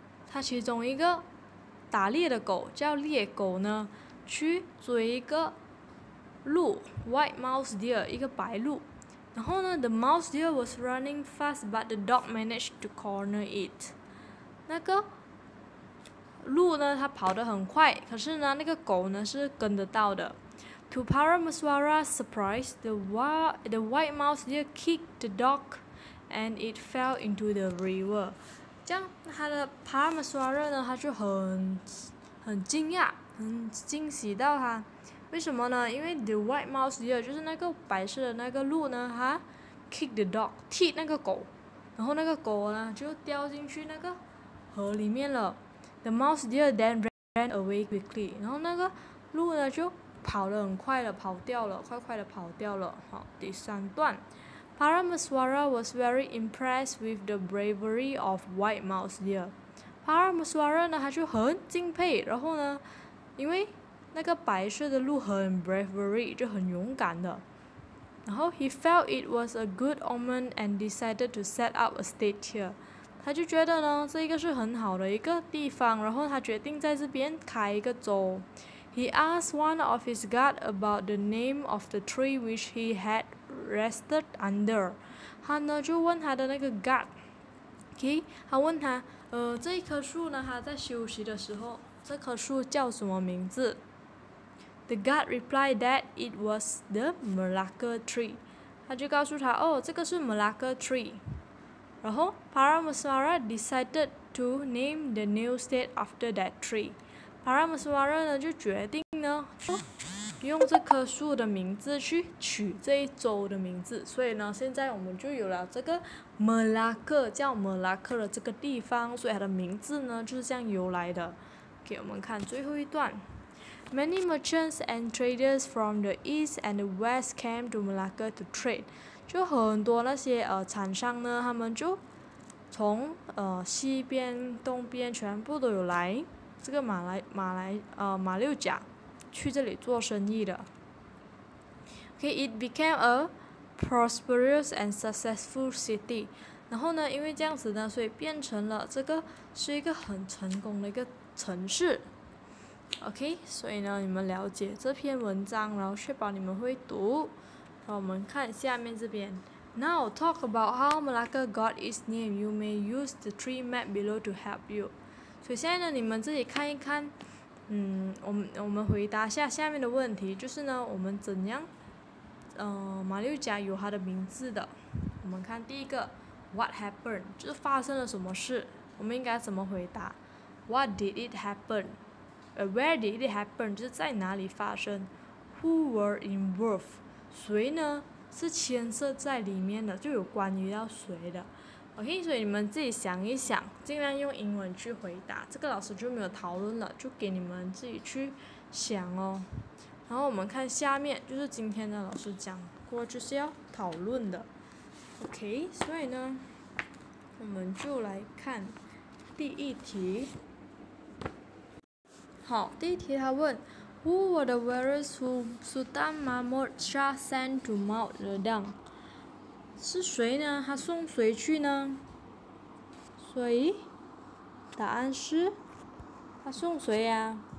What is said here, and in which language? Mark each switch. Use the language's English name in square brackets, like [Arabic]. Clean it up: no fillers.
[Chinese] 他其中一个打猎的狗叫猎狗呢，去追一个鹿 ， [English] white mouse deer， [Chinese] 一个白鹿。然后呢 [English] ，the mouse deer was running fast， but the dog managed to corner it. [Chinese] 那个。鹿呢，它跑得很快，可是呢，那个狗呢是跟得到的。 [English] To Parameswara's surprise, the white mouse deer kicked the dog, and it fell into the river. [Chinese] 这样，他的 Parameswara 呢，他就很惊讶，很惊喜到他。为什么呢？因为 [English] the white mouse deer [Chinese] 就是那个白色的那个鹿呢，它 [English] kicked the dog， [Chinese] 踢那个狗，然后那个狗呢就掉进去那个河里面了。 [English] The mouse deer then ran away quickly. [Chinese] 然后那个鹿呢就跑得很快了，跑掉了，快快的跑掉了。好，第三段。 [English] Parameswara was very impressed with the bravery of white mouse deer. [Chinese] Parameswara 呢，他就很敬佩。然后呢，因为那个白色的鹿很 bravery， 就很勇敢的。然后 [English] he felt it was a good omen and decided to set up a stake here. [Chinese] 他就觉得呢，这一个是很好的一个地方，然后他决定在这边开一个州。 [English] He asked one of his guard about the name of the tree which he had rested under. [Chinese] 他呢就问他的那个 guard， okay， 他问他，这一棵树呢，他在休息的时候，这棵树叫什么名字？ [English] The guard replied that it was the Malacca tree. [Chinese] 他就告诉他，哦，这个是 Malacca tree。然后 [English] Parameswara decided to name the new state after that tree. [Chinese] Parameswara 呢就决定呢，用这棵树的名字去取这一州的名字。所以呢，现在我们就有了这个 Malacca 叫 Malacca 的这个地方，所以它的名字呢就是这样由来的。给我们看最后一段。 [English] Many merchants and traders from the east and the west came to Malacca to trade. [Chinese] 就很多那些厂商呢，他们就从西边、东边全部都有来这个马六甲去这里做生意的。 [English] Okay, it became a prosperous and successful city. [Chinese] 然后呢，因为这样子呢，所以变成了这个是一个很成功的一个城市。 Okay, 所以呢，你们了解这篇文章，然后确保你们会读。我们看下面这边。 [English] Now talk about how Malacca got its name. You may use the tree map below to help you. [Chinese] 所以现在呢，你们自己看一看。嗯，我们回答下面的问题，就是呢，我们怎样，马六甲有它的名字的。我们看第一个 ， [English] What happened? [Chinese] 就是发生了什么事？我们应该怎么回答 [English] ？What did it happen? Where did it happen? [Chinese] 就是在哪里发生 ？ [English] Who were involved? [Chinese] 谁呢？是牵涉在里面的，就有关于要谁的。 OK， 所以你们自己想一想，尽量用英文去回答，这个老师就没有讨论了，就给你们自己去想哦。然后我们看下面，就是今天的老师讲过就是要讨论的。 OK， 所以呢我们就来看第一题。好，第一题他问 [English] Who were the warriors who Sultan Mahmud Shah sent to Mount Redang？ [Chinese] 是谁呢？他送谁去呢？所以答案是他送谁呀？